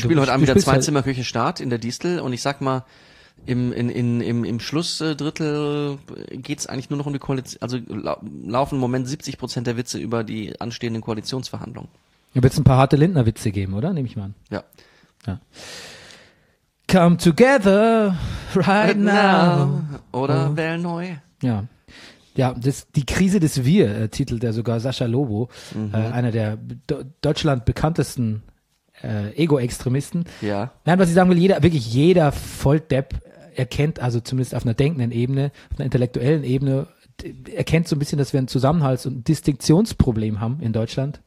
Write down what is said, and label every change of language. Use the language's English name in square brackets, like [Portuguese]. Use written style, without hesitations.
[German] Ich spiele heute Abend wieder Zwei-Zimmer-Küche Start in der Distel und ich sag mal, im Schlussdrittel geht's eigentlich nur noch um die Koalition, also laufen im Moment 70% der Witze über die anstehenden Koalitionsverhandlungen. Da wird's ein paar harte Lindner-Witze geben, oder? Nehme ich mal an. Ja. Ja. [English] Come together right now. [German] Oder well neu. Ja. Ja, die Krise des Wir, titelt er sogar Sascha Lobo, einer der Deutschland bekanntesten Ego-Extremisten. Ja. Nein, was ich sagen will, jeder Volldepp erkennt, also zumindest auf einer denkenden Ebene, auf einer intellektuellen Ebene, erkennt so ein bisschen, dass wir ein Zusammenhalts- und Distinktionsproblem haben in Deutschland.